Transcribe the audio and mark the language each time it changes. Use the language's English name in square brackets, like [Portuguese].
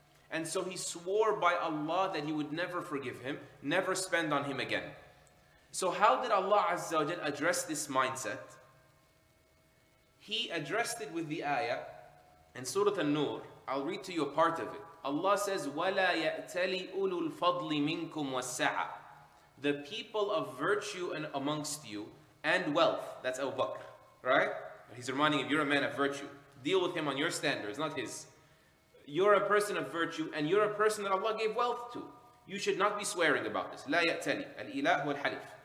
[English] And so he swore by Allah that he would never forgive him, never spend on him again. So how did Allah Azza wa Jal address this mindset? He addressed it with the ayah in Surah An-Nur. I'll read to you a part of it. Allah says, [Arabic] وَلَا يَأْتَلِ أُولُو الْفَضْلِ مِنْكُمْ وَالسَّعَةِ. [English] The people of virtue and amongst you and wealth. That's Abu Bakr, right? He's reminding you, you're a man of virtue. Deal with him on your standards, not his. You're a person of virtue and you're a person that Allah gave wealth to. You should not be swearing about this. [Arabic] لَا يَأْتَلِ الْإِلَهُ وَالْحَلِفُ.